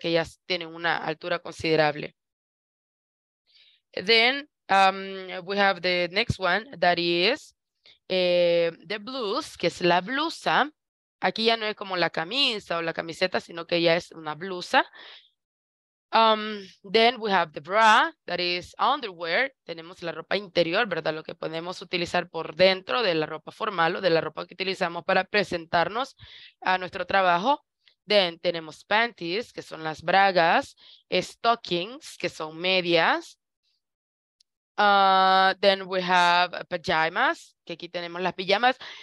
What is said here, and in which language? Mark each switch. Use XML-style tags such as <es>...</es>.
<es>Que ya tienen una altura considerable.</es> <en>Then we have the next one, that is the blues,</en> <es>que es la blusa. Aquí ya no es como la camisa o la camiseta, sino que ya es una blusa.</es> <en>Then we have the bra, that is underwear.</en> <es>Tenemos la ropa interior, ¿verdad? Lo que podemos utilizar por dentro de la ropa formal o de la ropa que utilizamos para presentarnos a nuestro trabajo. Then tenemos panties, que son las bragas, stockings, que son medias.</es> <en>Then we have pajamas,</en> <es>que aquí tenemos las pijamas.</es>